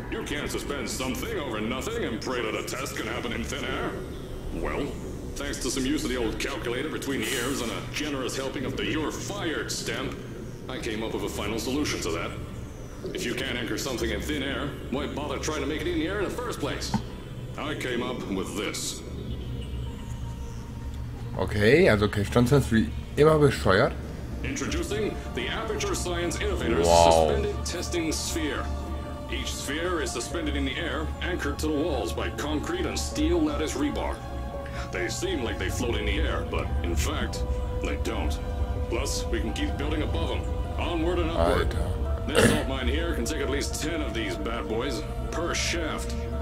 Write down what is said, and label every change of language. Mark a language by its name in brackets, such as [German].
[English] You can't suspend something over nothing and pray that a test can happen in thin air. Well, thanks to some use of the old calculator between the ears and a generous helping of the you're fired stamp, I came up with a final solution to that. If you can't anchor something in thin air, why bother trying to make it in the air in the first place? I came up with this. [German] Okay, also okay, Johnson ist wie immer bescheuert. [English] Introducing the Aperture Science Innovators Suspended Testing Sphere. Each sphere is suspended in the air, anchored to the walls by concrete and steel lattice rebar. They seem like they float in the air, but in fact, they don't. Plus, we can keep building above them, onward and upward. This salt mine here can take at least 10 of these bad boys per shaft.